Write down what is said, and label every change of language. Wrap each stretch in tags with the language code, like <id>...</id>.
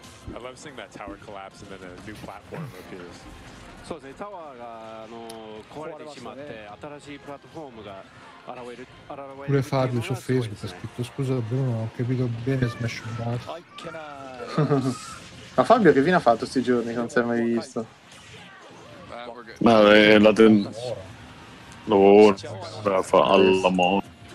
<en>I love seeing that tower collapse and then a new platform appears.</en> <ja>そうですね、タワーがあの壊れてしまって、ね、新しいプラットフォームが</ja> <it>pure Fabio su Facebook ha scritto scusa Bruno, non ho capito bene Smash Bros. Ma Fabio che fine ha fatto sti giorni, non si è mai visto? Ma la lavora alla morte,</it>